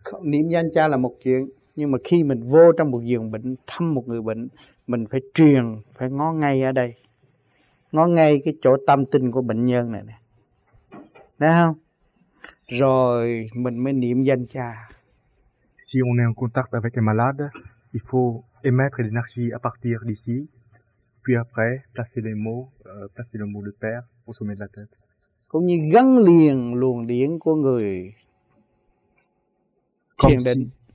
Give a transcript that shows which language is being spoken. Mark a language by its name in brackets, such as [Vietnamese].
[Vietnamese] Không, niệm danh cha là một chuyện, nhưng mà khi mình vô trong một giường bệnh thăm một người bệnh, mình phải truyền, phải ngó ngay ở đây, ngó ngay cái chỗ tâm tình của bệnh nhân này nè, thấy không? Rồi mình mới niệm danh cha. [French] Si on est en contact avec un malade, il faut émettre l'énergie à partir d'ici. Puis après, placer le mot du Père au sommet de la tête. [Vietnamese] Cũng như gắn liền luồng điển của người thiền định.